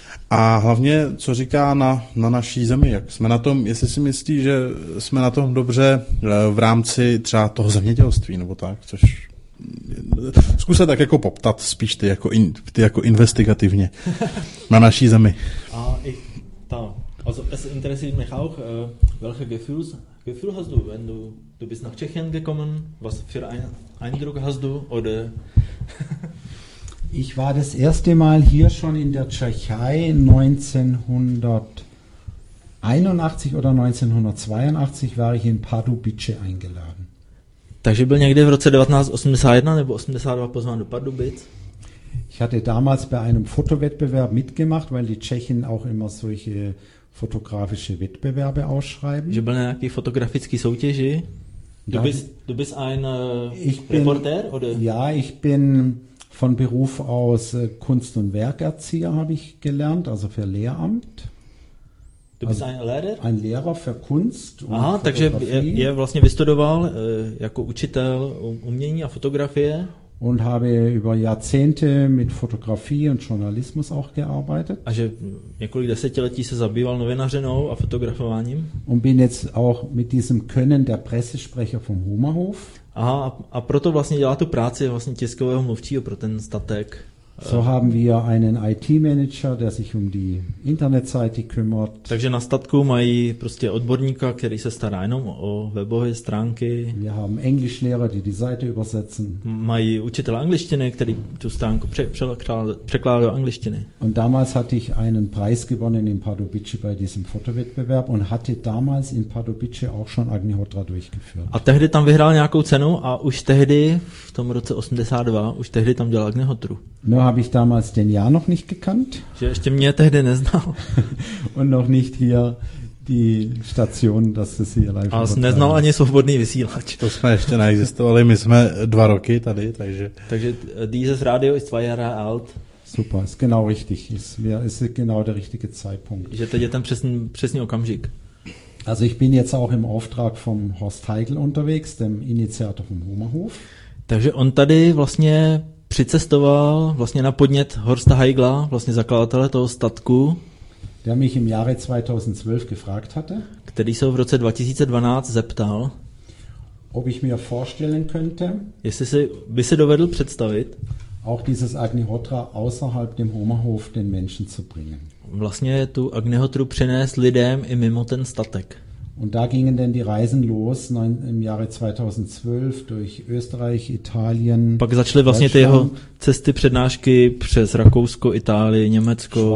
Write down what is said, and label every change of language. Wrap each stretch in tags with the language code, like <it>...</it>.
<cs>A hlavně, co říká na naší zemi, jak jsme na tom, jestli si myslí, že jsme na tom dobře v rámci třeba toho zemědělství, nebo tak, což zkus se tak jako poptat spíš ty jako investigativně na naší zemi. A i ta,</cs> <de>also es interessiert mich auch, welche Gefühl hast du, wenn du bist nach Tschechien gekommen, was für ein Eindruck hast du, oder... Ich war das erste Mal hier schon in der Tschechei 1981 oder 1982 war ich in Pardubice eingeladen.</de> <cs>Takže byl někdy v roce 1981 nebo 82 pozván do Pardubic.</cs> <de>Ich hatte damals bei einem Fotowettbewerb mitgemacht, weil die Tschechen auch immer solche fotografische Wettbewerbe ausschreiben.</de> <cs>Že byl nějaký fotografický soutěži.</cs> <de>Du bist ein Reporter, oder? Ja, ich bin von Beruf aus Kunst- und Werkerzieher habe ich gelernt, also für Lehramt. Du bist ein Lehrer? Ein Lehrer für Kunst und Fotografie.</de> <cs>Takže je vlastně vystudoval jako učitel umění a fotografie.</cs> <de>und habe über Jahrzehnte mit Fotografie und Journalismus auch gearbeitet.</de> <cs>A že několik desetiletí se zabýval novinařinou a fotografováním.</cs> <de>Und bin jetzt auch mit diesem Können der Pressesprecher vom Humahof.</de> <cs>A proto vlastně dělá tu práci vlastně tiskového mluvčího pro ten statek.</cs> <de>So haben wir einen IT-Manager, der sich um die Internetseite kümmert.</de> <cs>Takže na statku mají prostě odborníka, který se stará jenom o webové stránky.</cs> <de>Wir haben Englischlehrer, die die Seite übersetzen.</de> <cs>Mají učitele angličtiny, který tu stránku překládá do angličtiny.</cs> <de>Und damals hatte ich einen Preis gewonnen in Pardubice bei diesem Fotowettbewerb und hatte damals in Pardubice auch schon Agnihotra durchgeführt.</de> <cs>A tehdy tam vyhrál nějakou cenu a už tehdy, v tom roce 82, už tehdy tam dělal Agnihotru.</cs> <de>Nur habe ich damals den Jan noch nicht gekannt.</de> <cs>Že ještě mě tehdy neznal.</cs> <de>Und noch nicht hier die Station, dass es hier live war.</de> <cs>A neznal ani svobodný vysílač. To jsme ještě neexistovali, my jsme dva roky tady, takže... Takže</cs> <de>dieses Radio ist 2 Jahre alt. Super, ist genau richtig. Ist genau der richtige Zeitpunkt.</de> <cs>Že teď je ten přesný okamžik.</cs> <de>Also ich bin jetzt auch im Auftrag vom Horst Heigl unterwegs, dem Initiator vom Humahof.</de> <cs>Takže on tady vlastně... přicestoval vlastně na podnět Horsta Heigla, vlastně zakladatele toho statku,</cs> <de>der mich im Jahre 2012 gefragt hatte,</de> <cs>který se ho v roce 2012 zeptal,</cs> <de>ob ich mir vorstellen könnte,</de> <cs>jestli si by se dovedl představit,</cs> <de>auch dieses Agnihotra außerhalb dem Humahof den Menschen zu bringen.</de> <cs>Vlastně tu Agnihotru přinést lidem i mimo ten statek.</cs> <de>Und da gingen denn die Reisen los im Jahre 2012 durch Österreich, Italien.</de> <cs>Pak začaly vlastně ty jeho cesty, přednášky přes Rakousko, Itálii, Německo,</cs>